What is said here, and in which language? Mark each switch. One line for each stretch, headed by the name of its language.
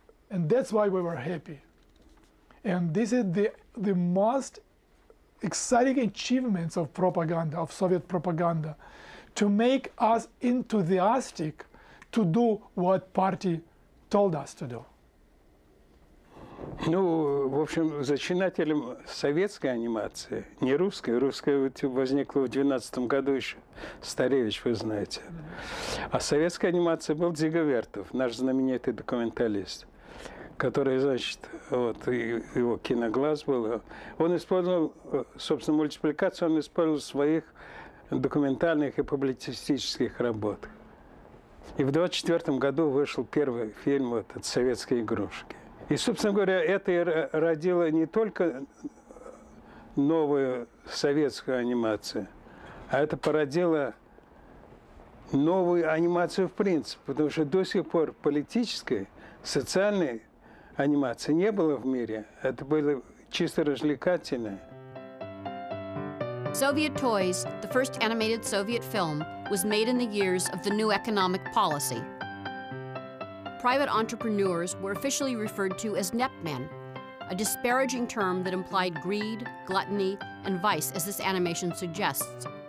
English: And that's why we were happy. And this is the most exciting achievements of propaganda, of Soviet propaganda, to make us enthusiastic to do what party told us to do.
Russian: Ну, в общем, зачинателем советской анимации, не русской, русская возникла в 12-м году еще, Старевич, вы знаете. А советская анимация был Дзиговертов, наш знаменитый документалист, который, значит, вот его киноглаз был. Он использовал, собственно, мультипликацию, он использовал в своих документальных и публицистических работах. И в 24-м году вышел первый фильм вот, от «Советские игрушки». И, собственно говоря, это и родило не только новую советскую анимацию, а это породило новую анимацию в принципе, потому что до сих пор политической, социальной анимации не было в мире. Это было чисто развлекательное.
English: Soviet Toys, the first animated Soviet film, was made in the years of the new economic policy. Private entrepreneurs were officially referred to as NEPmen, a disparaging term that implied greed, gluttony, and vice, as this animation suggests.